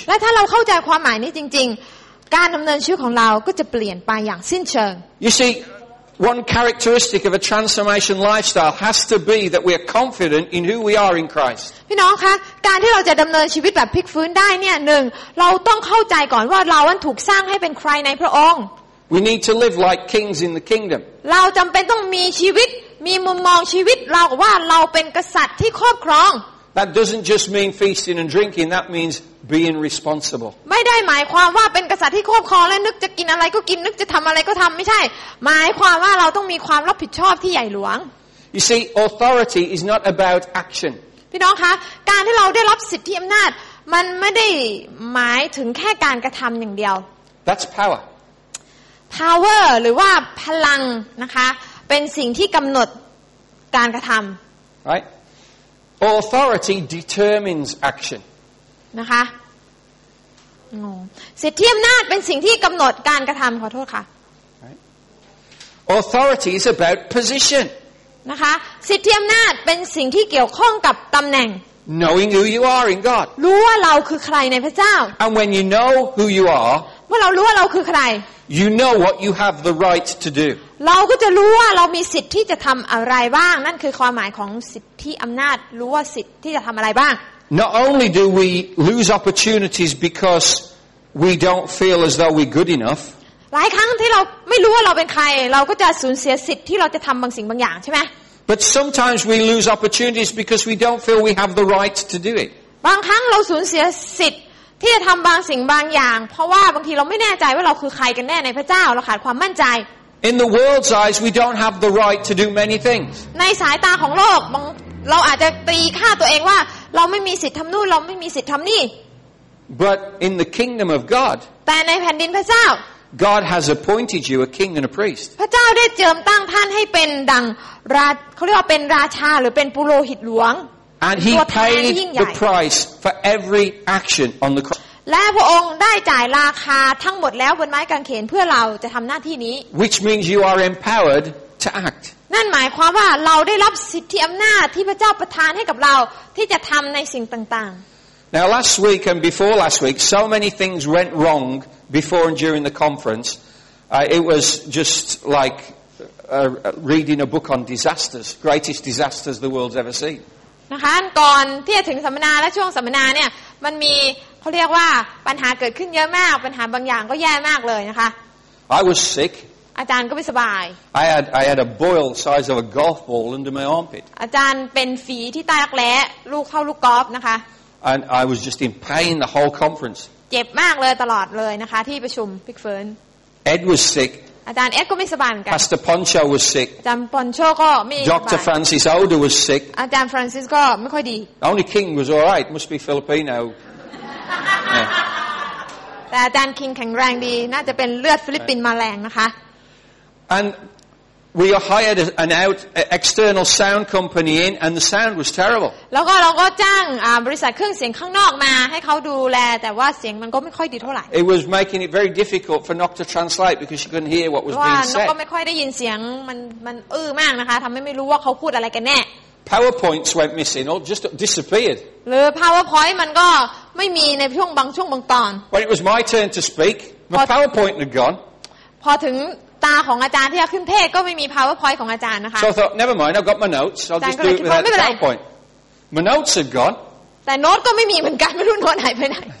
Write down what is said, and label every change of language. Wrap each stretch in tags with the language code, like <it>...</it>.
<th>และถ้าเราเข้าใจความหมายนี้จริงๆการดำเนินชีวิตของเราก็จะเปลี่ยนไปอย่างสิ้นเชิง</th> <en>You see, one characteristic of a transformation lifestyle has to be that we are confident in who we are in Christ.</en> <th>พี่น้องคะการที่เราจะดำเนินชีวิตแบบพลิกฟื้นได้เนี่ยหนึ่งเราต้องเข้าใจก่อนว่าเราถูกสร้างให้เป็นใครในพระองค์</th> <en>We need to live like kings in the kingdom.</en> <th>เราจำเป็นต้องมีชีวิตมีมุมมองชีวิตเราว่าเราเป็นกษัตริย์ที่ครอบครอง</th> <en>That doesn't just mean feasting and drinking that means being responsible</en> <th>ไม่ได้หมายความว่าเป็นกษัตริย์ที่ครอบครองและนึกจะกินอะไรก็กินนึกจะทำอะไรก็ทำไม่ใช่หมายความว่าเราต้องมีความรับผิดชอบที่ใหญ่หลวง</th> <en>You see authority is not about action</en> <th>พี่น้องคะการที่เราได้รับสิทธิอำนาจมันไม่ได้หมายถึงแค่การกระทำอย่างเดียว</th> <en>That's power</en> <th>power หรือว่าพลังนะคะเป็นสิ่งที่กำหนดการกระทำ</th> <en>right authority determines action</en> <th>นะคะสิทธิอำนาจเป็นสิ่งที่กำหนดการกระทำขอโทษค่ะ</th> <en>authority is about position</en> <th>นะคะสิทธิอำนาจเป็นสิ่งที่เกี่ยวข้องกับตำแหน่ง</th> <en>knowing who you are in God</en> <th>รู้ว่าเราคือใครในพระเจ้า</th> <en>and when you know who you are</en> <th>เมื่อเรารู้ว่าเราคือใคร</th> <en>you know what you have the right to do</en> <th>เราก็จะรู้ว่าเรามีสิทธิ์ที่จะทำอะไรบ้างนั่นคือความหมายของสิทธิอำนาจรู้ว่าสิทธิ์ที่จะทำอะไรบ้าง</th> <en>Not only do we lose opportunities because we don't feel as though we're good enough</en> <th>หลายครั้งที่เราไม่รู้ว่าเราเป็นใครเราก็จะสูญเสียสิทธิ์ที่เราจะทำบางสิ่งบางอย่างใช่ไหม</th> <en>But sometimes we lose opportunities because we don't feel we have the right to do it</en> <th>บางครั้งเราสูญเสียสิทธิ์ที่จะทำบางสิ่งบางอย่างเพราะว่าบางทีเราไม่แน่ใจว่าเราคือใครกันแน่ในพระเจ้าเราขาดความมั่นใจ</th> <en>In the world's eyes, we don't have the right to do many things.</en> <th>ในสายตาของโลกเราอาจจะตีค่าตัวเองว่าเราไม่มีสิทธิ์ทำนู่นเราไม่มีสิทธิ์ทำนี่</th> <en>But in the kingdom of God,</en> <th>แต่ในแผ่นดินพระเจ้า</th> <en>God has appointed you a king and a priest.</en> <th>พระเจ้าได้เจิมตั้งท่านให้เป็นดังเขาเรียกว่าเป็นราชาหรือเป็นปุโรหิตหลวง</th> <en>And he paid the price for every action on the cross.</en> <th>และพระองค์ได้จ่ายราคาทั้งหมดแล้วบนไม้กางเขนเพื่อเราจะทำหน้าที่นี้</th> <en>Which means you are empowered to act.</en> <th>นั่นหมายความว่าเราได้รับสิทธิอำนาจที่พระเจ้าประทานให้กับเราที่จะทำในสิ่งต่าง</th> <en>ๆ Now last week and before last week, so many things went wrong before and during the conference. It was just like reading a book on disasters, greatest disasters the world's ever seen.</en> <th>นะคะก่อนที่จะถึงสัมมนาและช่วงสัมมนาเนี่ยมันมีเขาเรียกว่าปัญหาเกิดขึ้นเยอะมากปัญหาบางอย่างก็แย่มากเลยนะคะ</th> <en>I was sick</en> <th>อาจารย์ก็ไม่สบาย</th> <en>I had a boil size of a golf ball under my armpit</en> <th>อาจารย์เป็นฝีที่ใต้รักแร้ลูกเข้าลูกกอล์ฟนะคะ</th> <en>And I was just in pain the whole conference</en> <th>เจ็บมากเลยตลอดเลยนะคะที่ประชุมพิกเฟิร์น</th> <en>Ed was sick</en> <th>อาจารย์เอ็ดก็ไม่สบายเหมือนกั น</th> <en>Pastor Poncho was sick</en> <th>อาจารย์ Poncho ก็มี</th> <en>Dr. Francis Oder was sick</en> <th>อาจารย์ Francis ก็ไม่ค่อยดี</th> <en>Only King was all right must be Filipino</en> <th>แต่อาจารย์คิงแข็งแรงดีน่าจะเป็นเลือดฟิลิปปินส์มาแรงนะคะ</th> <en>And we hired an external sound company in and the sound was terrible</en> <th>แล้วก็เราก็จ้างบริษัทเครื่องเสียงข้างนอกมาให้เขาดูแลแต่ว่าเสียงมันก็ไม่ค่อยดีเท่าไหร่</th> <en>It was making it very difficult for Nock to translate because she couldn't hear what was being said</en> <th>ว่าก็ไม่ค่อยได้ยินเสียงมันอื้อมากนะคะทำให้ไม่รู้ว่าเขาพูดอะไรกันแน่</th> <en>PowerPoints went missing or just disappeared.</en> <th>หรือ PowerPoint มันก็ไม่มีในช่วงบางตอน</th> <en>When it was my turn to speak, my PowerPoint had gone.</en> <th>พอถึงตาของอาจารย์ที่จะขึ้นเทศก็ไม่มี PowerPoint ของอาจารย์นะคะ</th> <en>So I thought, never mind, I've got my notes. I'll just do it without the PowerPoint. My notes had gone.</en> <th>แต่โน้ตก็ไม่มีเหมือนกันไม่รู้โน้ตหายไปไหน</th>